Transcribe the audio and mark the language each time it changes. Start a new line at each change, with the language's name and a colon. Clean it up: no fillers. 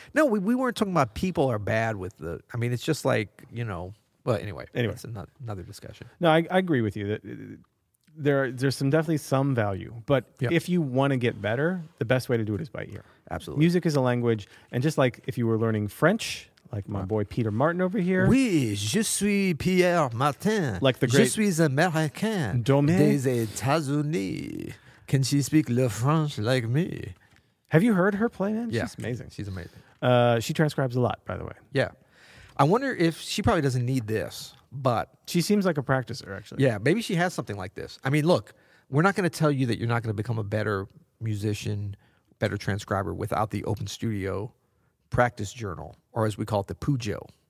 English: No, we weren't talking about people are bad with the – I mean, it's just like, you know – well, anyway. That's another discussion. No, I agree with you that – There's some definitely some value, but yep, if you want to get better, the best way to do it is by ear. Absolutely. Music is a language, and just like if you were learning French, like my boy Peter Martin over here.
French: Oui, je suis Pierre Martin.
English: Like the great...
French: Je suis Américain. Domé. Des États-Unis.
English: Can she speak le French like me? Have you heard her play, man? Yeah. She's amazing. She's amazing. She transcribes a lot, by the way. Yeah. I wonder if she probably doesn't need this. But she seems like a practicer, actually. Yeah, maybe she has something like this. I mean, look, we're not going to tell you that you're not going to become a better musician, better transcriber without the Open Studio practice journal, or as we call it, the Pujo.